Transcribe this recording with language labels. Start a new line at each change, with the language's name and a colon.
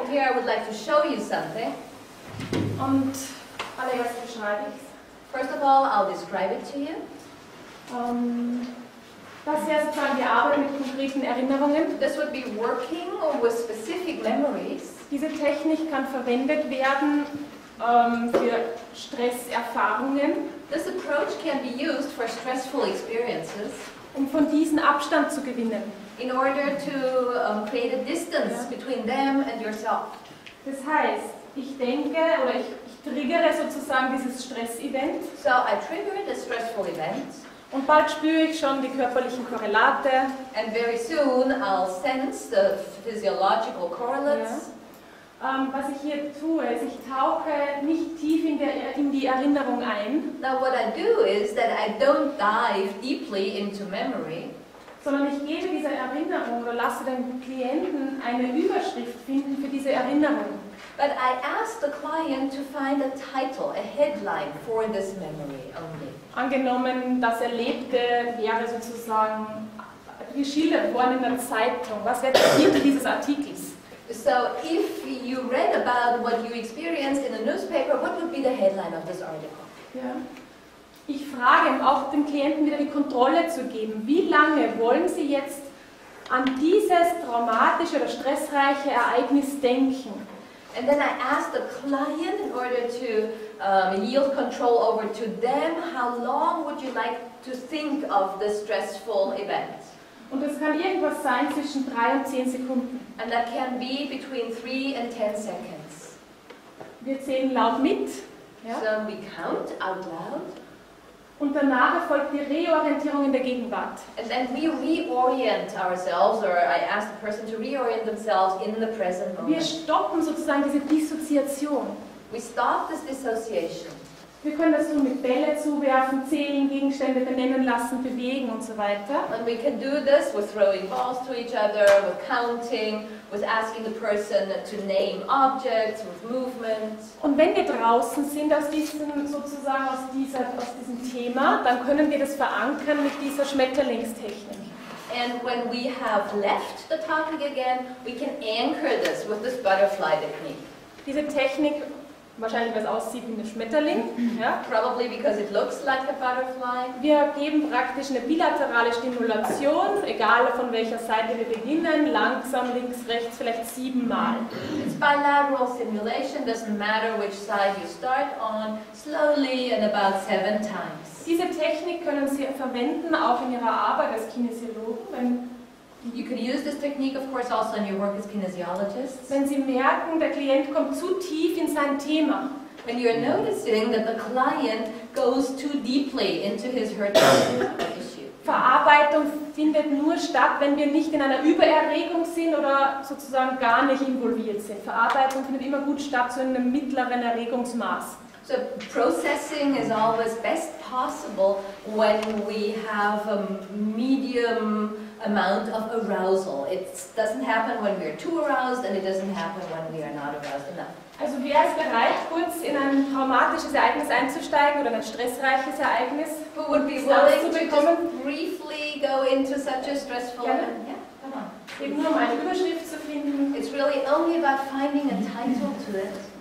English: And here I would like to show you something.
German: Und allererst beschreibe ich es.
English: First of all, I'll describe it to you.
German: Das wäre sozusagen die Arbeit mit konkreten Erinnerungen.
English: This would be working or with specific memories.
German: Diese Technik kann verwendet werden für Stresserfahrungen.
English: This approach can be used for stressful experiences.
German: Um von diesen Abstand zu gewinnen.
English: In order to create a distance between them and yourself.
German: Das heißt, ich denke oder ich triggere sozusagen dieses Stressevent.
English: So I trigger the stressful event.
German: Und bald spüre ich schon die körperlichen Korrelate.
English: And very soon I'll sense the physiological correlates.
German: Ja. Was ich hier tue, ist, ich tauche nicht tief in die Erinnerung ein.
English: Now what I do is that I don't dive deeply into memory.
German: sondern ich gebe dieser Erinnerung oder lasse den Klienten eine Überschrift finden für diese Erinnerung.
English: But I ask the client to find a title, a headline for this memory only.
German: Angenommen, das Erlebte wäre sozusagen geschildert worden in der Zeitung. Was wäre der Titel dieses Artikels?
English: So if you read about what you experienced in the newspaper, what would be the headline of this article?
German: Ich frage, um auch dem Klienten wieder die Kontrolle zu geben, wie lange wollen Sie jetzt an dieses traumatische oder stressreiche Ereignis denken?
English: And then I ask the client in order to yield control over to them, how long would you like to think of this stressful event?
German: Und das kann irgendwas sein zwischen 3 und 10 Sekunden.
English: And that can be between 3 and 10 seconds.
German: Wir zählen laut mit.
English: So we count out loud.
German: Und danach erfolgt die Reorientierung in der Gegenwart.
English: And then we reorient ourselves, or I ask the person to reorient themselves in the present moment.
German: Wir stoppen sozusagen diese Dissoziation.
English: We stop this dissociation.
German: Wir können das tun mit Bälle zuwerfen, zählen, Gegenstände benennen lassen, bewegen und so weiter.
English: And we can do this with throwing balls to each other, with counting, with asking the person to name objects, with movement.
German: Und wenn wir draußen sind aus diesem sozusagen aus diesem Thema, dann können wir das verankern mit dieser Schmetterlingstechnik.
English: And when we have left the topic again, we can anchor this with this butterfly technique.
German: Diese Technik. Wahrscheinlich, weil es aussieht wie ein Schmetterling. Ja.
English: Probably because it looks like a butterfly.
German: Wir geben praktisch eine bilaterale Stimulation, egal von welcher Seite wir beginnen, langsam links, rechts, vielleicht 7 Mal.
English: It's bilateral stimulation, doesn't matter which side you start on, slowly and about 7 times.
German: Diese Technik können Sie verwenden auch in Ihrer Arbeit als Kinesiologen, wenn
English: you can use this technique, of course, also in your work as kinesiologist.
German: Wenn Sie merken, der Klient kommt zu tief in sein Thema.
English: When you are noticing that the client goes too deeply into his or her issue.
German: Verarbeitung findet nur statt, wenn wir nicht in einer Übererregung sind oder sozusagen gar nicht involviert sind. Verarbeitung findet immer gut statt, so in einem mittleren Erregungsmaß.
English: So processing is always best possible when we have a medium amount of arousal. It doesn't happen when we are too aroused and it doesn't happen when we are not aroused enough.
German: Also wer ist bereit, kurz in ein traumatisches Ereignis einzusteigen oder ein stressreiches Ereignis?
English: Who would be willing to just briefly go into such a stressful event? Yeah.
German: Eben nur um eine Überschrift zu finden.
English: It's really only about finding a title to it.